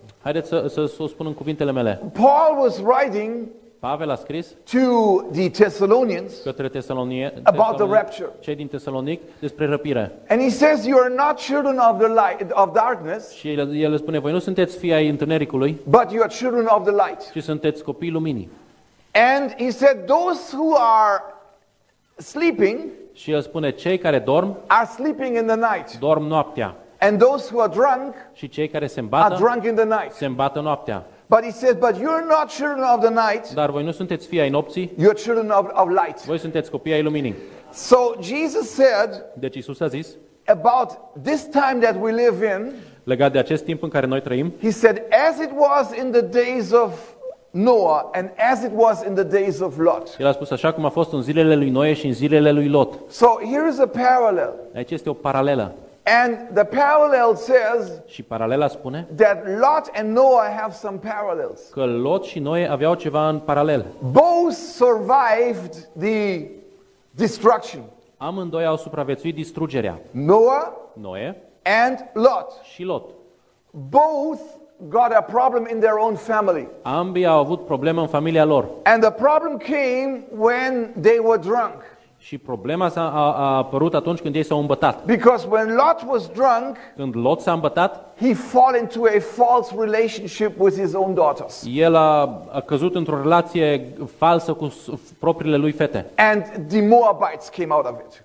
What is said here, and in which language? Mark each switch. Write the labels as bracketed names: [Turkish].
[Romanian] Haideți să spun în cuvintele mele. [English] Paul was writing. [Romanian] Pavel a scris [English] to the Thessalonians, [Romanian] către Tesalonicieni, [English] about the rapture. [Romanian] Cei din Tesalonic, despre răpire. [English] And he says, "You are not children of the light of darkness." [Romanian] Și el spune, voi nu sunteți fii ai întunericului. [English] But you are children of the light. [Romanian] Și sunteți copii luminii. [English] And he said, "Those who are sleeping." [Romanian] Și el spune, cei care dorm [English] are sleeping in the night. [Romanian] Dorm noaptea. [English] And those who are drunk. [Romanian] Și cei care se îmbată [English] are drunk in the night. [Romanian] Se îmbată noaptea. [English] But he says, but you're not children of the night. [Romanian] Dar voi nu sunteți fii ai nopții. [English] You're children of light. [Romanian] Voi sunteți copii ai luminii. [English] So Jesus said, [Romanian] deci Iisus a zis, [English] about this time that we live in, [Romanian] legat de acest timp în care noi trăim. [English] He said, as it was in the days of Noah and as it was in the days of Lot. [Romanian] El a spus așa cum a fost în zilele lui Noe și în zilele lui Lot. [English] So here is a parallel. [Romanian] Aici este o paralelă. [English] And the parallel says, [Romanian] și paralela spune, [English] that Lot and Noah have some parallels. [Romanian] Că Lot și Noe aveau ceva în paralel. [English] Both survived the destruction. [Romanian] Amândoi au supraviețuit distrugerea. [English] Noah, [Romanian] Noe, [English] and Lot. [Romanian] Și Lot. [English] Both got a problem in their own family. [Romanian] Ambii au avut probleme în familia lor. [English] And the problem came when they were drunk. [Romanian] Și problema a apărut atunci când ei s-au îmbătat. [English] Because when Lot was drunk, [Romanian] când Lot s-a îmbătat, [English] he fell into a false relationship with his own daughters. [Romanian] El a căzut într-o relație falsă cu propriile lui fete. [English] And the Moabites came out of it.